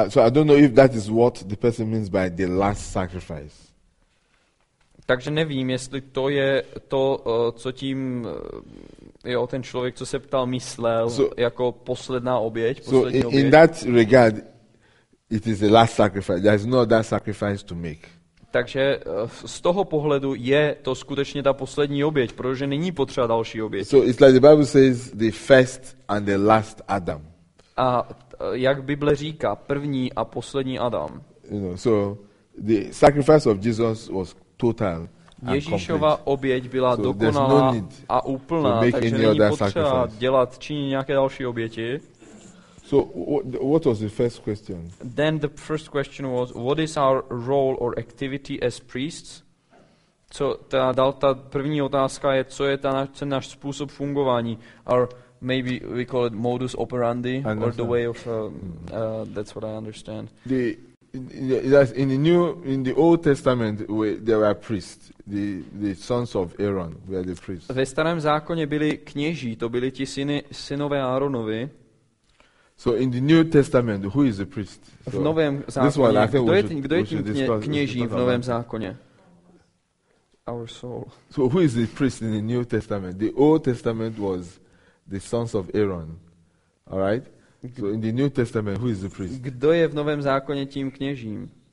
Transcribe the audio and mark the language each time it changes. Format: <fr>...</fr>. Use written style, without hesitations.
<en>So I don't know if that is what the person means by the last sacrifice.</en> <cs>Takže nevím, jestli to je to, co tím jo, ten člověk, co se ptal, myslel</cs> <en>so,</en> <cs>jako posledná oběť.</cs> <en>So in that regard, it is the last sacrifice. There is no other sacrifice to make.</en> <cs>Takže z toho pohledu je to skutečně ta poslední oběť, protože není potřeba další oběť.</cs> <en>So it's like the Bible says, the first and the last Adam.</en> <cs>A jak Bible říká, první a poslední Adam.</cs> <en>You know, so the sacrifice of Jesus was total.</en> <cs>Ježíšova oběť byla dokonalá a úplná, takže není potřeba dělat činit nějaké další oběti.</cs> <en>So what was the first question? Then the first question was, what is our role or activity as priests?</en> <cs>Co ta první otázka je, co je ten náš způsob fungování? Our</cs> <en>maybe we call it modus operandi or the way of that's what I understand. In the Old Testament there were priests, the sons of Aaron were the priests.</en> <cs>Ve starém zákoně byli kněží, to byli ti synové Aaronovi.</cs> <en>So in the New Testament, who is the priest?</en> <cs>V novém zákoně, kdo je tím kněžím v novém zákoně?</cs> <en>Our soul. So who is the priest in the New Testament? The Old Testament was the sons of Aaron. All right? So in the New Testament, who is the priest?</en> <cs>Kdo je v novém zákoně tím kněžím?</cs>